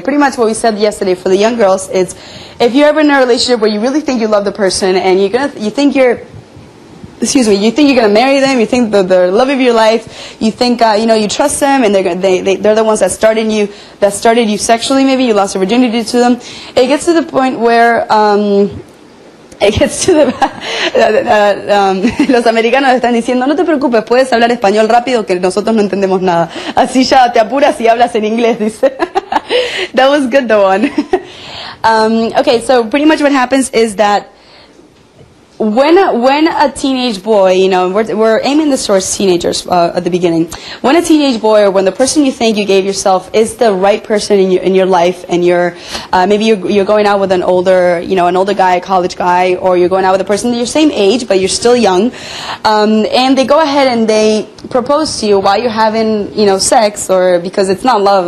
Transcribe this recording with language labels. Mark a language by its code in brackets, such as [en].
[en] Pretty much what we said yesterday for the young girls is, if you're ever in a relationship where you really think you love the person and you think you're gonna marry them, you think the love of your life, you think you know, you trust them and they're the ones that started you sexually, maybe you lost your virginity to them, it gets to the point where [es] los americanos están diciendo, no te preocupes, puedes hablar español rápido, que nosotros no entendemos nada. Así ya te apuras y hablas en inglés, dice. [en] That was good, the one. Okay, so pretty much what happens is that when a teenage boy, you know, we're aiming the source teenagers at the beginning. When a teenage boy, or when the person you think you gave yourself is the right person in your life, and maybe you're going out with an older, you know, an older guy, a college guy, or you're going out with a person your same age but you're still young, and they go ahead and they propose to you while you're having, you know, sex, or because it's not love.